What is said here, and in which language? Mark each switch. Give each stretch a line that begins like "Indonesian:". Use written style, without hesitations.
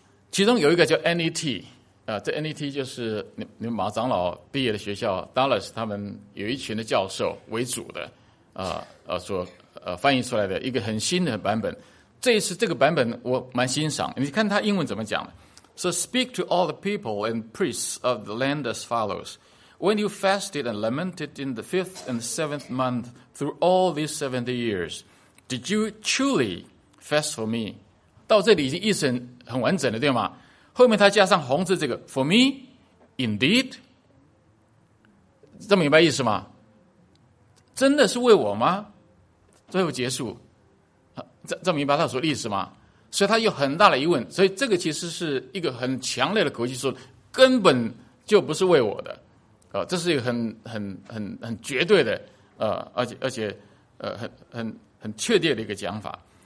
Chinese: 其中有一个叫 NET， 这 NET 就是你们马长老毕业的学校 Dallas， 他们有一群的教授为主的翻译出来的一个很新的版本。这一次这个版本我蛮欣赏，你看他英文怎么讲。
English: So speak to all the people and priests of the land as follows: When you fasted and lamented in the fifth and seventh month through all these 70 years, did you truly fast for me？
Chinese: 到这里已经意思很完整了，对吗？后面他加上红字，这个
English: for me indeed，
Chinese: 这么明白意思吗？真的是为我吗？最后结束，这么明白他说的意思吗？所以他有很大的疑问，所以这个其实是一个很强烈的口气，说根本就不是为我的，这是一个很绝对的，而且很确定的一个讲法。